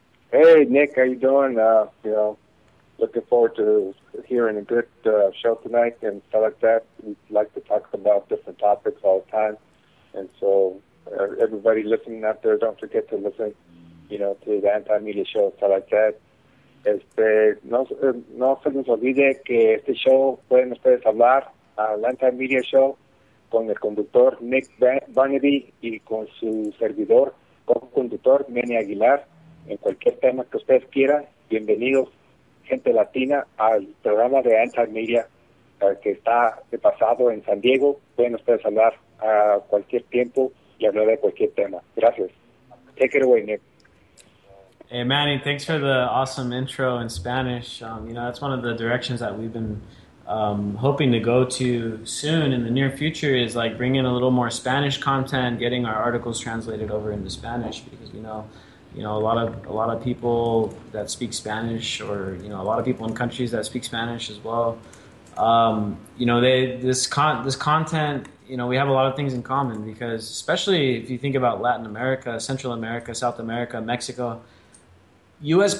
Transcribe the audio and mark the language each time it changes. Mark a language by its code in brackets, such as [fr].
[en] Hey, Nick. How you doing? Looking forward to hearing a good show tonight and stuff like that. We like to talk about different topics all the time. And so everybody listening out there, don't forget to listen, you know, to the Anti-Media show, stuff like that. [es] No se nos olvide que este show pueden ustedes hablar. El Anti-Media Show con el conductor Nick Burnaby y con su servidor, co-conductor Manny Aguilar, en cualquier tema que ustedes quieran. Bienvenidos, gente latina, al programa de Anti-Media que está de pasado en San Diego. Pueden ustedes hablar a cualquier tiempo y hablar de cualquier tema. [en] Gracias. Take it away, Nick. Hey, Manny, thanks for the awesome intro in Spanish. That's one of the directions that we've been hoping to go to soon in the near future, is like bring in a little more Spanish content, getting our articles translated over into Spanish, because you know a lot of people that speak Spanish, or you know, a lot of people in countries that speak Spanish as well, this content, you know, we have a lot of things in common, because especially if you think about Latin America, Central America, South America, Mexico, U.S.